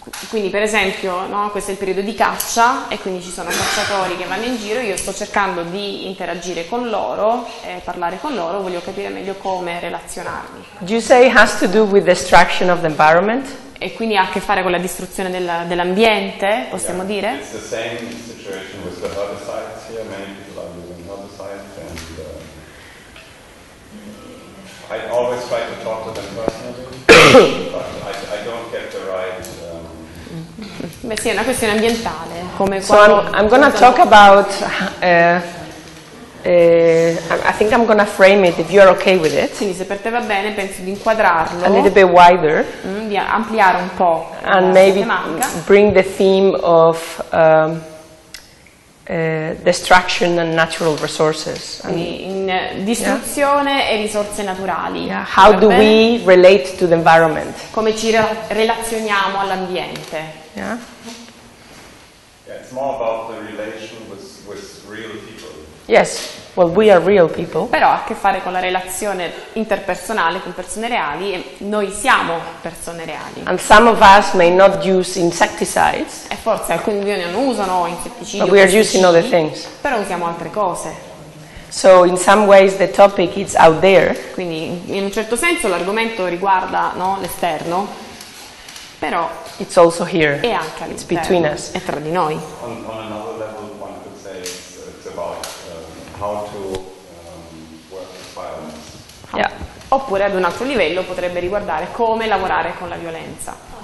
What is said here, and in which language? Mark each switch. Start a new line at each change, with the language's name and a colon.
Italian: Quindi per esempio, no, questo è il periodo di caccia e quindi ci sono cacciatori che vanno in giro, io sto cercando di interagire con loro e parlare con loro, voglio capire meglio come relazionarmi.
English: Do you say it has to do with destruction of the environment?
Italian: E quindi ha a che fare con la distruzione dell'ambiente, possiamo
English: yeah.
Italian: dire?
English: It's the same situation with the herbicides here, many people are using herbicides and I always try to talk to them personally, but I don't get the right...
Italian: Beh sì, è una questione ambientale. Come
English: so I'm going to talk about, I think I'm going to frame it, if you're okay with it.
Italian: Quindi se per te va bene, penso di inquadrarlo.
English: A little bit wider.
Italian: Di ampliare un po'.
English: And maybe bring the theme of destruction and natural resources.
Italian: Distruzione yeah. e risorse naturali.
English: Yeah. How do we relate to the environment?
Italian: Come ci relazioniamo all'ambiente.
English: Yeah. Yeah, it's more about the relation with real people. Yes, well, we are real people.
Italian: Però ha a che fare con la relazione interpersonale con persone reali e noi siamo persone reali.
English: And some of us may not use insecticides.
Italian: E forse alcuni di noi non usano insetticidi.
English: But we are using other things.
Italian: Però usiamo altre cose.
English: So in some ways the topic is out there.
Italian: Quindi in un certo senso l'argomento riguarda, no, l'esterno. Però
English: it's also here.
Italian: È anche all'interno.
English: It's between us.
Italian: È tra di noi.
English: On another level, one could say it's about how to work with violence. Yeah.
Italian: Oppure ad un altro livello potrebbe riguardare come lavorare con la violenza.